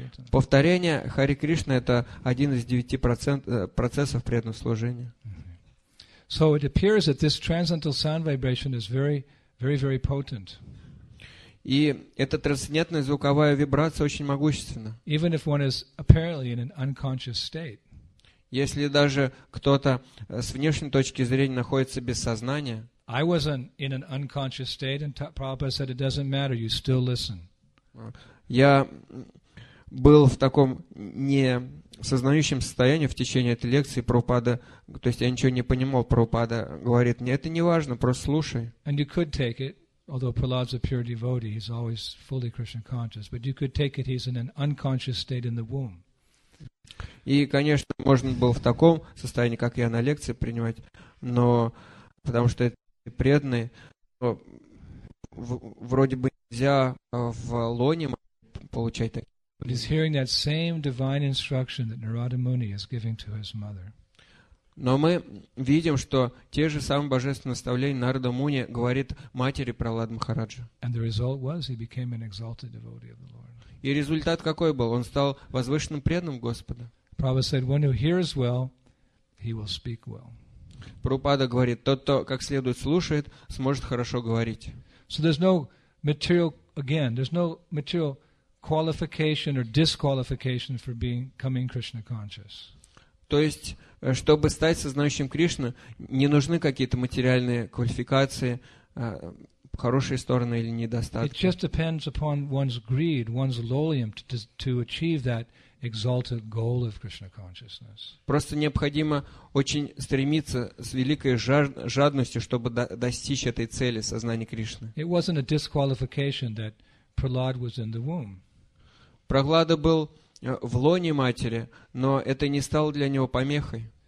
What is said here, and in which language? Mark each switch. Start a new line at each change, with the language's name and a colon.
Russian: Повторение Хари Кришны — это один из 9% процессов преданного служения.
English: So it appears that this transcendental sound vibration is very, very, very potent.
Russian: И эта трансцендентная звуковая вибрация очень могущественна.
English: Even if one is apparently in an unconscious state.
Russian: Если даже кто-то с внешней точки зрения находится без сознания.
English: I was in an unconscious state, and Prabhupada said, "It doesn't matter. You still listen."
Russian: Я был в таком не сознающем состоянии в течение этой лекции Прабхупада, то есть я ничего не понимал. Прабхупада говорит мне: это не важно, просто слушай.
English: And you could take it, although Prahlad's a pure devotee, he's always fully Krishna conscious. But you could take it; he's in an unconscious state in the womb.
Russian: И, конечно, можно было в таком состоянии, как я на лекции принимать, но потому что это преданный, вроде бы нельзя в лоне получать такие.
English: But he's hearing that same divine instruction that Narada Muni is giving to his mother.
Russian: Но мы видим, что те же самые божественные наставления Нарада Муни говорит матери Прахлад Махараджа.
English: And the result was he became an exalted devotee of the Lord.
Russian: И результат какой был? Он стал возвышенным преданным Господа.
English: Prabhupada said, "One who hears well, he will speak well."
Russian: Прабхупада говорит, тот, кто как следует слушает, сможет хорошо говорить.
English: So there's no material again. There's no material qualification or disqualification for being coming Krishna conscious.
Russian: То есть, чтобы стать сознающим Кришну, не нужны какие-то материальные квалификации, хорошие стороны или недостатки.
English: It just depends upon one's greed, one's lolium to achieve that exalted goal of Krishna consciousness.
Russian: Просто необходимо очень стремиться с великой жадностью, чтобы достичь этой цели сознания Кришны.
English: It wasn't a disqualification that Prahlad was in the womb.
Russian: Прохлада был в лоне матери, но это не стало для него помехой.